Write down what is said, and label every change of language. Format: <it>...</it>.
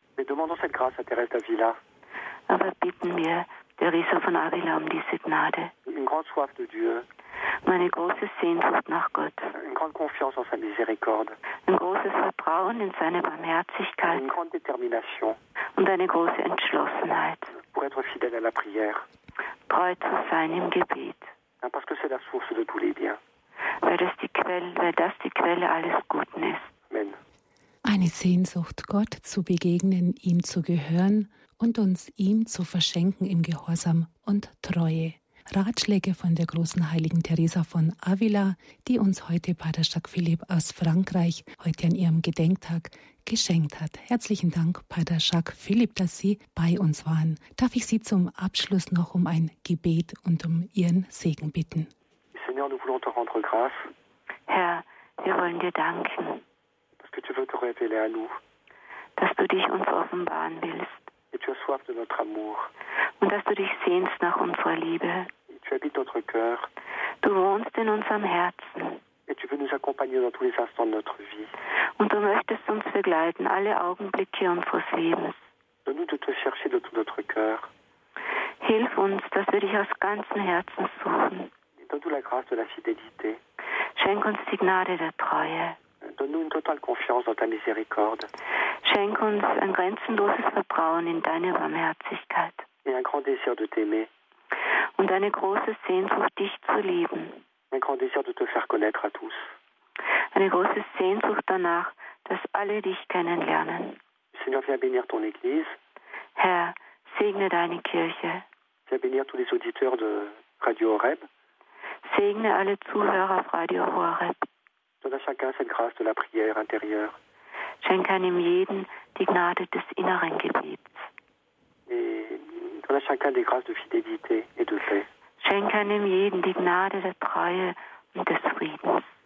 <fr>Mais demandons cette grâce à Thérèse d'Avila.</fr> <de>Aber bitten wir Teresa von Avila um diese Gnade.</de> <fr>Une grande soif de Dieu.</fr> <de>Meine große Sehnsucht nach Gott.</de> <fr>Une grande confiance en sa miséricorde.</fr> <de>Ein großes Vertrauen in seine Barmherzigkeit.</de> <fr>Une grande détermination.</fr> <de>Und eine große Entschlossenheit.</de> <fr>Pour être fidèle à la prière.</fr> <de>Treu zu sein im Gebet.</de> <fr>Parce que c'est la source de tous les biens.</fr> <de>Weil das die Quelle alles Guten ist. Amen. Eine Sehnsucht, Gott zu begegnen, ihm zu gehören und uns ihm zu verschenken in Gehorsam und Treue. Ratschläge von der großen heiligen Teresa von Avila, die uns heute Pater Jacques Philipp aus Frankreich heute an ihrem Gedenktag geschenkt hat. Herzlichen Dank, Pater Jacques Philipp, dass Sie bei uns waren. Darf ich Sie zum Abschluss noch um ein Gebet und um Ihren Segen bitten?</de> <fr>Seigneur, nous voulons te rendre grâce.</fr> <de>Herr, wir wollen dir danken.</de> <fr>Parce que tu veux te révéler à nous.</fr> <de>Dass du dich uns offenbaren willst.</de> <fr>Et tu as soif de notre amour.</fr> <de>Und dass du dich sehnst nach unserer Liebe.</de> <fr>Et tu habites notre cœur.</fr> <de>Du wohnst in unserem Herzen.</de> <fr>Et tu veux nous accompagner dans tous les instants de notre vie.</fr> <de>Und du möchtest uns begleiten, alle Augenblicke unseres Lebens.</de> <fr>Donne-nous de te chercher de tout notre cœur.</fr> <de>Hilf uns, dass wir dich aus ganzem Herzen suchen.</de> <fr>Et donne-nous la grâce de la fidélité.</fr> <de>Schenk uns die Gnade der Treue.</de> <fr>Donne-nous une totale confiance dans ta miséricorde.</fr> <de>Schenk uns ein grenzenloses Vertrauen in deine Barmherzigkeit.</de> <fr>Et un grand désir de t'aimer.</fr> <de>Und eine große Sehnsucht, dich zu lieben.</de> <fr>Un grand désir de te faire connaître à tous.</fr> <de>Eine große Sehnsucht danach, dass alle dich kennenlernen.</de> <fr>Seigneur, viens bénir ton Église.</fr> <de>Herr, segne deine Kirche.</de> <fr>Viens bénir tous les auditeurs de Radio Horeb.</fr> <de>Segne alle Zuhörer auf Radio Horeb.</de> <fr>Donne à chacun cette grâce de la prière intérieure.</fr> <de>Schenke einem jeden die Gnade des inneren Gebets.</de> <fr>Et donne à chacun des grâces de fidélité et de paix.</fr> <de>Schenke einem jeden die Gnade der Treue und des Friedens.</de>